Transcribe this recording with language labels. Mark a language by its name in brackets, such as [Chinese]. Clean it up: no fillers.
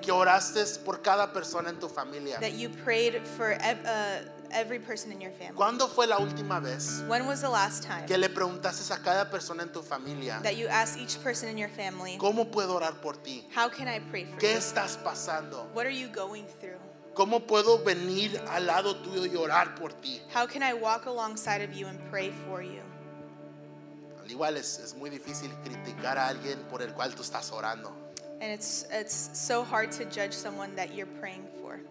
[Spanish] Que oraste por cada persona en tu familia. [English] That you prayed for every person in your family. [Spanish] ¿Cuándo fue la última vez? [English] When was the last time? [Spanish] Que le preguntaste a cada persona en tu familia. [English] That you asked each person in your family. [Spanish] ¿Cómo puedo orar por ti? [English] How can I pray for you? [Spanish] ¿Qué estás pasando? [English] What are you going through? [Spanish] ¿Cómo puedo venir al lado tuyo y orar por ti? [English] How can I walk alongside of you and pray for you? [Spanish] Al igual es muy difícil criticar a alguien por el cual tú estás orando. [English] And it's so hard to judge someone that you're praying for.